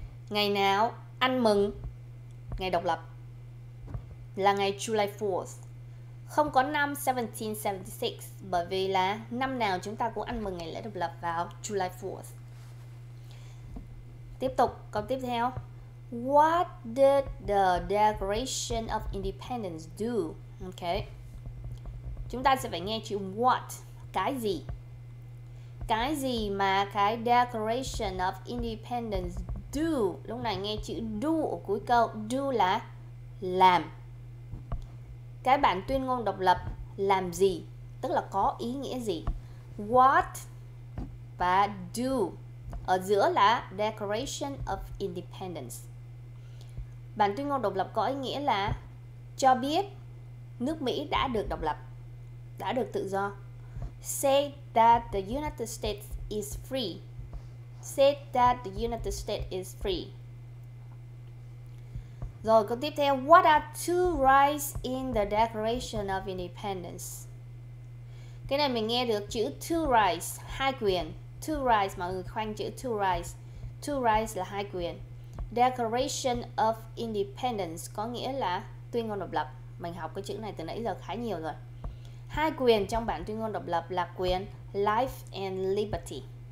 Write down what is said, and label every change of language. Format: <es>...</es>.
<vi>Ngày nào ăn mừng ngày độc lập là ngày July 4th. Không có năm 1776 bởi vì là năm nào chúng ta cũng ăn mừng ngày lễ độc lập vào July 4th. Tiếp tục, câu tiếp theo.</vi> <en>What did the Declaration of Independence do? Okay.</en> <vi>Chúng ta sẽ phải nghe chữ what, cái gì? Cái gì mà cái</vi> <en>Declaration of Independence do?</en> <vi>Lúc này nghe chữ do ở cuối câu, do là làm. Cái bản tuyên ngôn độc lập làm gì? Tức là có ý nghĩa gì? What và do ở giữa là Declaration of Independence. Bản tuyên ngôn độc lập có ý nghĩa là cho biết nước Mỹ đã được độc lập, đã được tự do.</vi> <en>Say that the United States is free. Say that the United States is free.</en> <vi>Rồi câu tiếp theo.</vi> <en>What are two rights in the Declaration of Independence?</en> <vi>Cái này mình nghe được chữ two rights, hai quyền. Two rights, mọi người khoanh chữ two rights. Two rights là hai quyền. Declaration of Independence có nghĩa là tuyên ngôn độc lập. Mình học cái chữ này từ nãy giờ khá nhiều rồi. Hai quyền trong bản tuyên ngôn độc lập là quyền</vi> <en>life and liberty.</en>